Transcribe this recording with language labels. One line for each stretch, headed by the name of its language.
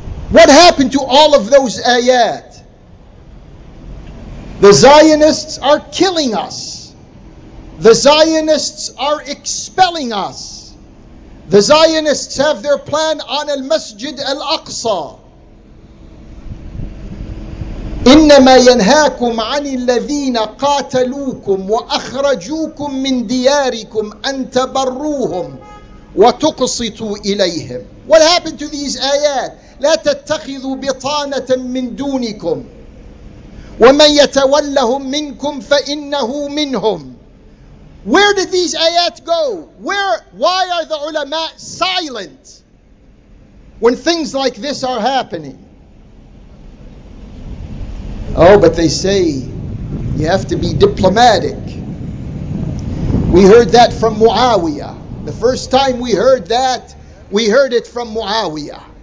English: What happened to all of those ayat? The Zionists are killing us. The Zionists are expelling us. The Zionists have their plan on al-Masjid al-Aqsa.
Arabic: إنما ينهاكم عن الذين قاتلوكم وأخرجوكم من دياركم أن تبروهم وتقسطوا إليهم.
English: What happened to these
Arabic: آيات؟ لا تتخذوا بطانة من دونكم ومن يتولهم منكم فإنه منهم.
English: Where did these آيات go? Why are the ulama silent when things like this are happening? Oh, but they say you have to be diplomatic. We heard that from Muawiyah. The first time we heard that, we heard it from Muawiyah.